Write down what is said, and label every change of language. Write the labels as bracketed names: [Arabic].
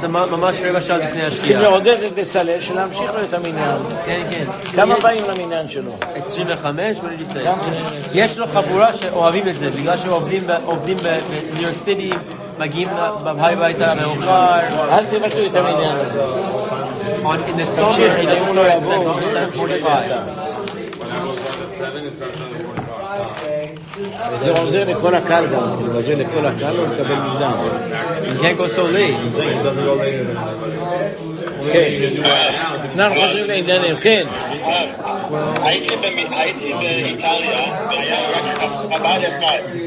[Hebrew] ממש רבע שעה לפני השקיעה. צריכים לעודד את בצלאל שלהמשיך לו את המניין. כן, כן. כמה באים למניין שלו? 25, בוא נגיד 20. יש לו חבורה שאוהבים את זה, בגלל שעובדים בניו יורק סיטי, מגיעים בבית המאוחר. אל תבטלו את המניין הזה. [English] On in the summer, he doesn't know exactly, 45. [Hebrew] זה עוזר לכל הקהל גם, זה עוזר לכל הקהל ולקבל מידה. כן, קוסולי. כן. אנחנו חושבים לעניינים, כן. הייתי באיטליה, והיה רק חבל אחד,